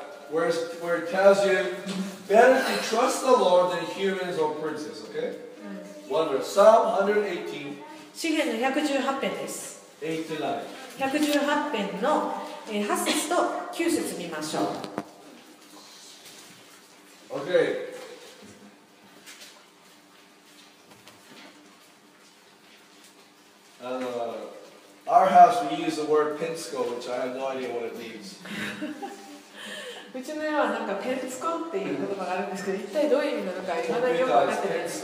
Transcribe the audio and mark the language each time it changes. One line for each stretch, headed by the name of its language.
English: Where it tells you, better to trust the Lord than humans or princes, okay? One verse. Psalm 118.
Japanese: 詩篇の118編です。 118編の8節と9節見ましょう。 OK。
English: Our house, we use the word Pensco, which I have no idea what it means.
Japanese: うちの家はなんかペンツコっていう言葉があるんですけど、一体どういう意味なのか、いまだによく分かってないです。